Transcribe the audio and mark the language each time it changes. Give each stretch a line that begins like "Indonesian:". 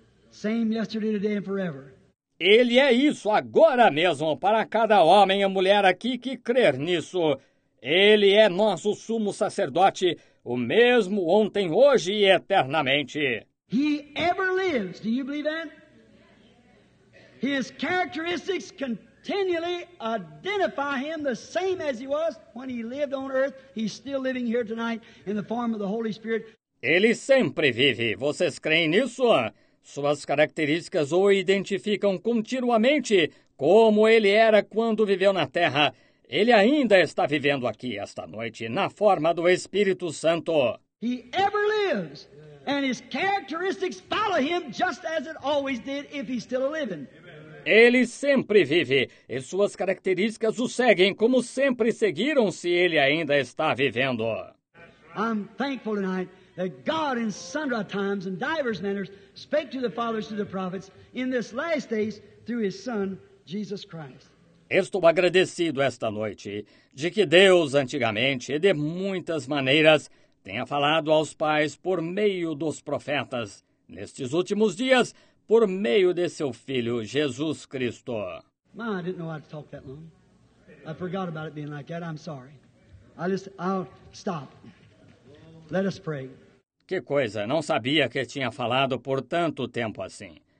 English: same yesterday, today, and forever.
Portuguese: Ele é isso agora mesmo para cada homem e mulher aqui que crer nisso. Ele é nosso sumo sacerdote, o mesmo ontem, hoje e eternamente.
English: He ever lives. Do you believe that? His characteristics continually identify him the same as he was when he lived on earth. He's still living here tonight in the form of the Holy Spirit.
Portuguese: Ele sempre vive. Vocês creem nisso? Suas características o identificam continuamente como ele era quando viveu na Terra. Ele ainda está vivendo aqui esta noite na forma do Espírito Santo.
English: He ever lives, and his characteristics follow him just as it always did if he's still living.
Portuguese: Ele sempre vive, e suas características o seguem como sempre seguiram se ele ainda está vivendo.
English: I'm thankful tonight that God in sundry times and divers manners spake to the fathers through the prophets in this last days through his son Jesus Christ.
Portuguese: Estou agradecido esta noite de que Deus antigamente e de muitas maneiras tenha falado aos pais por meio dos profetas nestes últimos dias. Por meio de seu filho, Jesus Cristo.
English: Mom, I didn't know I'd talk that long. I forgot about it being like that. I'm sorry. I'll stop. Let us pray.
Portuguese: Que coisa, não sabia que tinha falado por tanto tempo assim.